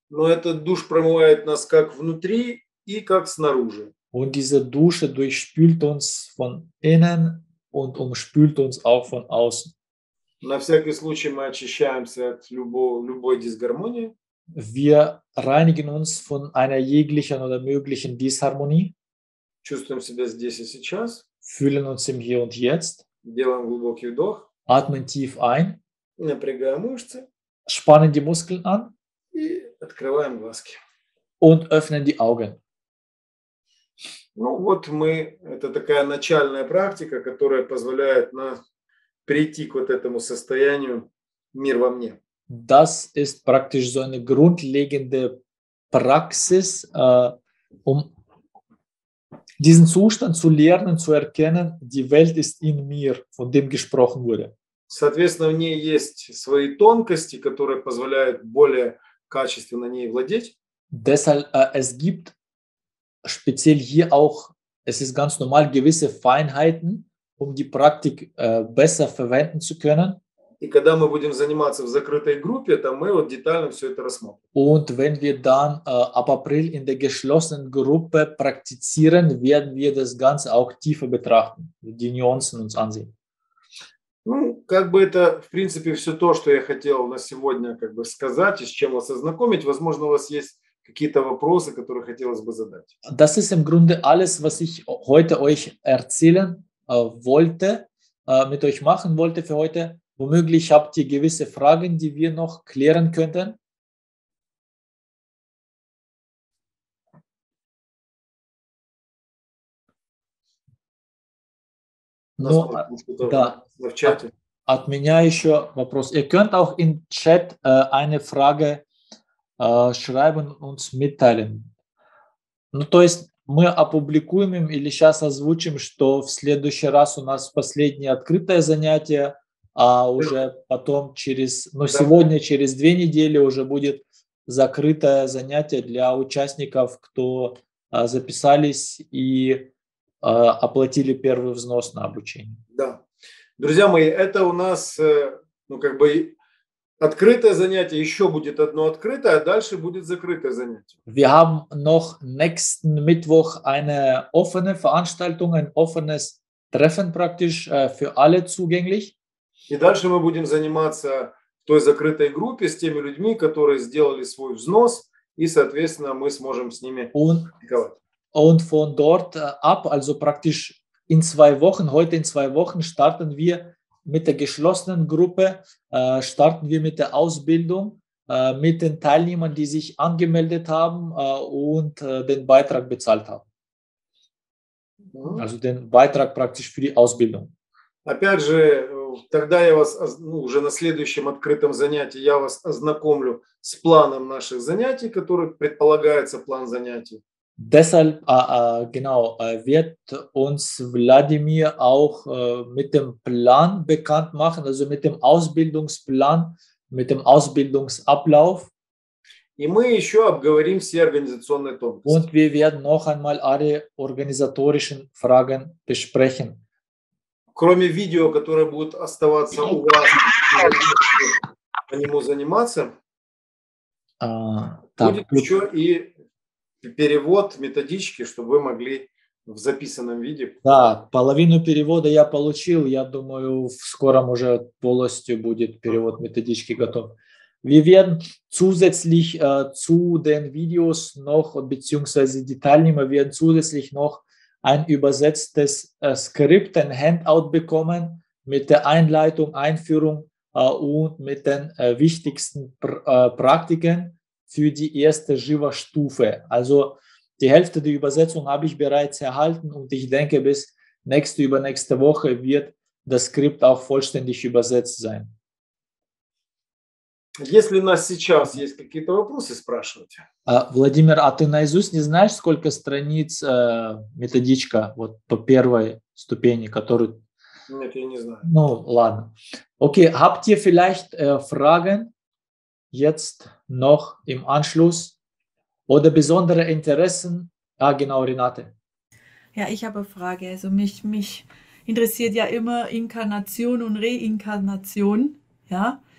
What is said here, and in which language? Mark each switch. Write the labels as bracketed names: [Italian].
[Russian] Но этот душ промывает нас как внутри и как снаружи. [German] Und diese Dusche durchspült uns von innen und umspült uns auch von außen. [Russian] На всякий случай мы очищаемся от любой дисгармонии. [German] Wir reinigen uns von einer jeglichen oder möglichen Disharmonie. [Russian] Чувствуем себя здесь и сейчас. [German] Fühlen uns im Hier und Jetzt. [Russian] Делаем глубокий вдох. [German] Atmen tief ein. [Russian] Напрягаем мышцы. [German] Spannen die Muskeln an. [Russian] И открываем глазки. [German] Und öffnen die Augen. [Russian] Ну вот мы, это такая начальная практика, которая позволяет нам прийти к вот этому состоянию «мир во мне». [German] Das ist praktisch so eine grundlegende Praxis, um diesen Zustand zu lernen, zu erkennen, die Welt ist in mir, von dem gesprochen wurde. [Russian] Соответственно, в ней есть свои тонкости, которые позволяют более качественно ней владеть. [German] Deshalb, es gibt speziell hier auch, es ist ganz normal, gewisse Feinheiten, um die Praktik besser verwenden zu können. [Russian] И когда мы будем заниматься в закрытой группе, то мы вот детально все это рассмотрим. [German] Und wenn wir dann ab April in der geschlossenen Gruppe praktizieren, werden wir das Ganze auch tiefer betrachten, die Nuancen uns ansehen. [Russian] Ну, как бы это, в принципе, все то, что я хотел на сегодня как бы сказать и с чем вас ознакомить. Возможно, у вас есть какие-то вопросы, которые хотелось бы задать. [German] Das ist im Grunde alles, was ich heute euch erzählen wollte, mit euch machen wollte für heute. Womöglich habt ihr gewisse Fragen, die wir noch klären könnten? [Russian] Но, да, от меня еще вопрос. [German] Ihr könnt auch in Chat eine Frage schreiben und mitteilen. [Russian] Ну, то есть мы опубликуем им или сейчас озвучим, что в следующий раз у нас последнее открытое занятие, а уже потом через, ну, да. Сегодня, через две недели уже будет закрытое занятие для участников, кто записались и оплатили первый взнос на обучение. Да. Друзья мои, это у нас, ну, как бы, открытое занятие, еще будет одно открытое, а дальше будет закрытое занятие. [German] Wir haben noch nächsten Mittwoch eine offene Veranstaltung, ein offenes Treffen praktisch für alle zugänglich. [Russian] И дальше мы будем заниматься в той закрытой группе с теми людьми, которые сделали свой взнос, и, соответственно, мы сможем с ними разговаривать. [German] Und von dort ab, also praktisch in zwei Wochen, heute in zwei Wochen starten wir mit der geschlossenen Gruppe, starten wir mit der Ausbildung, mit den Teilnehmern, die sich angemeldet haben und den Beitrag bezahlt haben. Also den Beitrag praktisch für die Ausbildung. [Russian] Опять же, тогда я вас, ну, уже на следующем открытом занятии я вас ознакомлю с планом наших занятий, который предполагается план занятий. [German] Deshalb, genau, wird uns Wladimir auch mit dem Plan bekannt machen, also mit dem Ausbildungsplan, mit dem Ausbildungsablauf. [Russian] И мы еще обговорим все организационные тонкости. [German] Und wir werden noch einmal alle organisatorischen Fragen besprechen. [Russian] Кроме видео, которое будет оставаться у вас, по нему заниматься, будет еще и перевод методички, чтобы вы могли в записанном виде. Да, половину перевода я получил. Я думаю, в скором уже полностью будет перевод методички готов. [German] Wir werden zusätzlich zu den Videos noch, beziehungsweise [Russian] детальнее, мы [German] werden zusätzlich noch ein übersetztes Skript, ein Handout bekommen mit der Einleitung, Einführung und mit den wichtigsten Praktiken für die erste Jiva-Stufe. Also die Hälfte der Übersetzung habe ich bereits erhalten und ich denke, bis nächste, übernächste Woche wird das Skript auch vollständig übersetzt sein. [Russian] Если у нас сейчас есть какие-то вопросы, спрашивайте. Владимир, а ты наизусть не знаешь, сколько страниц методичка вот по первой ступени, которую... Нет, я не знаю. Ну, ладно. Окей, [German] okay, habt ihr vielleicht Fragen jetzt noch im Anschluss oder besondere Interessen? Ah, genau, Renate. Ja, ich habe eine Frage. Also mich interessiert ja immer Inkarnation und Reinkarnation, ja?